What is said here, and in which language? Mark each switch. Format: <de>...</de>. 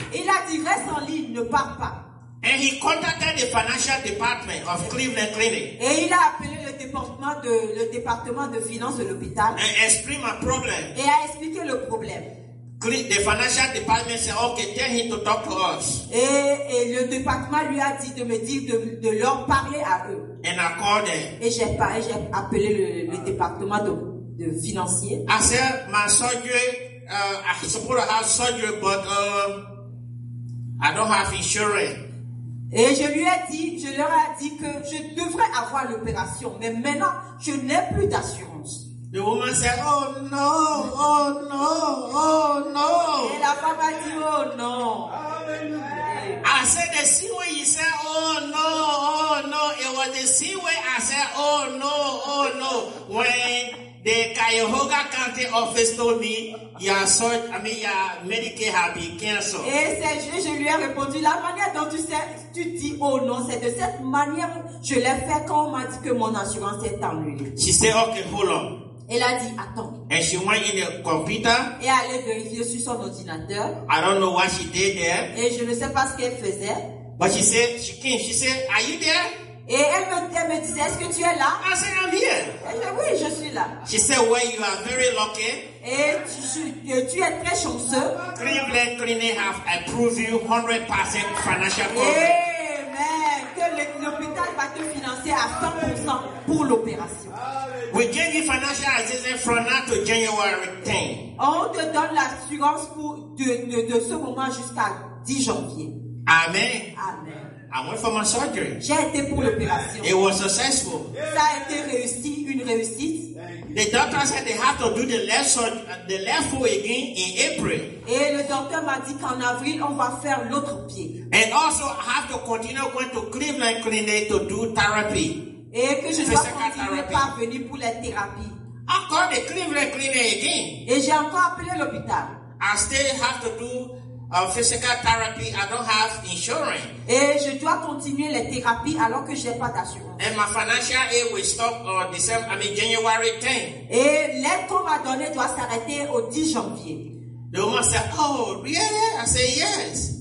<fr>Il a dit, reste en ligne, ne pars pas.</fr> <en>And he contacted the financial department of Cleveland Clinic.</en> <fr>Et il a appelé le département de finances de l'hôpital.</fr> <en>And explain my problem.</en> <fr>Et a expliqué le problème.</fr> <en>The financial department said, "Okay, tell him to talk to us."</en> <fr>Et le département lui a dit de me dire de leur parler à eux.</fr> <en>And I called them.</en> <fr>Et j'ai appelé le département de financier.</fr> <en>I said, "My surgery, I'm supposed to have surgery, but I don't have insurance."</en> <fr>Et je leur ai dit que je devrais avoir l'opération, mais maintenant je n'ai plus d'assurance.</fr> <en>The woman said, "Oh no, oh no, oh no."</en> <fr>Et la femme a dit,</fr> <en>"Oh no." I said, "The same way you said, 'Oh no, oh no.' It was the same way I said, 'Oh no, oh no.' When the Cuyahoga County office told me your Medicare had been canceled."</en> <fr>Et c'est juste, je lui ai répondu, la manière dont tu dis, "Oh non," c'est de cette manière je l'ai fait quand on m'a dit que mon assurance est annulée.</fr> <en>She said, "Okay, hold on."</en> <fr>Elle a dit, attends.</fr> <en>And she went in the computer.</en> <fr>Et allait vérifier sur son ordinateur.</fr> <en>I don't know what she did there.</en> <fr>Et je ne sais pas ce qu'elle faisait.</fr> <en>But she said, she came. She said, "Are you there?"</en> <fr>Et elle me disait, est-ce que tu es là?</fr> <en>I said, "I'm here."</en> <fr>Et je dis, oui, je suis là.</fr> <en>She said, "Well, you are very lucky."</en> <fr>Et tu es très chanceux.</fr> <en>Cleveland Clinic have approved you 100% financial coverage. Amen.</en> <fr>Que l'hôpital va te financer à 100% pour l'opération.</fr> <en>We gave you financial assistance from now to January 10.</en> <fr>On te donne l'assurance pour de ce moment jusqu'à 10 janvier.</fr> <en>Amen. Amen. I went for my surgery.</en> <fr>J'ai été pour l'opération.</fr> <en>It was successful.</en> <fr>Ça a été réussi, une réussite.</fr> <en>The doctor said they have to do the left foot again in April.</en> <fr>Et le docteur m'a dit qu'en avril on va faire l'autre pied.</fr> <en>And also I have to continue going to Cleveland Clinic to do therapy.</en> <fr>Et que je dois continuer parvenir pour les thérapies.</fr> <en>Encore the Cleveland Clinic again.</en> <fr>Et j'ai encore appelé l'hôpital.</fr> <en>I still have to do physical therapy. I don't have insurance.</en> <fr>Et je dois continuer les thérapies alors que j'ai pas d'assurance.</fr> <en>And my financial aid will stop January 10.</en> <fr>Et l'aide qu'on m'a donnée doit s'arrêter au 10 janvier.</fr> <en>The woman said, "Oh, really?" I said, "Yes."</en>